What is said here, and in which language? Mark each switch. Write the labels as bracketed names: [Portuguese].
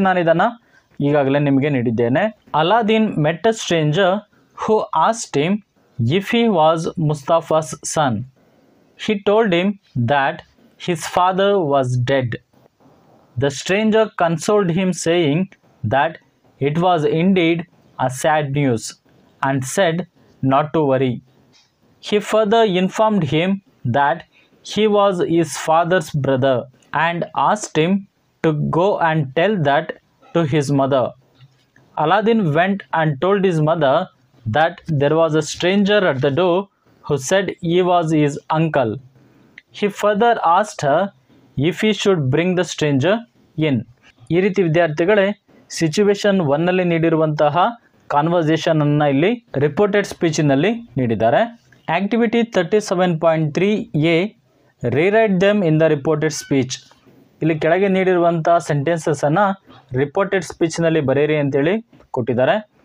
[Kannada] ನಾನು ಇದನ್ನು ಈಗಾಗಲೇ ನಿಮಗೆ ನೀಡಿದ್ದೇನೆ. [English] Aladdin met a stranger who asked him if he was Mustafa's son. He told him that his father was dead. The stranger consoled him saying that it was indeed a sad news and said not to worry. He further informed him that he was his father's brother and asked him to go and tell that to his mother. Aladdin went and told his mother that there was a stranger at the door who said he was his uncle. He further asked her if he should bring the stranger in. [Kannada] ಈ ರೀತಿ ವಿದ್ಯಾರ್ಥಿಗಳೇ situation 1ನಲ್ಲಿ ನೀಡಿರುವಂತಹ conversation ಅನ್ನು ಇಲ್ಲಿ reported ಸ್ಪೀಚ್ನಲ್ಲಿ ನೀಡಿದ್ದಾರೆ. [English] Activity 37.3A, rewrite them in the reported speech. [Kannada] ಇಲ್ಲಿ ಕೆಳಗೆ ನೀಡಿರುವಂಥ ಸೆಂಟೆನ್ಸಸ್ಸನ್ನು reported ಸ್ಪೀಚ್ನಲ್ಲಿ ಬರೀರಿ ಅಂತೇಳಿ ಕೊಟ್ಟಿದ್ದಾರೆ.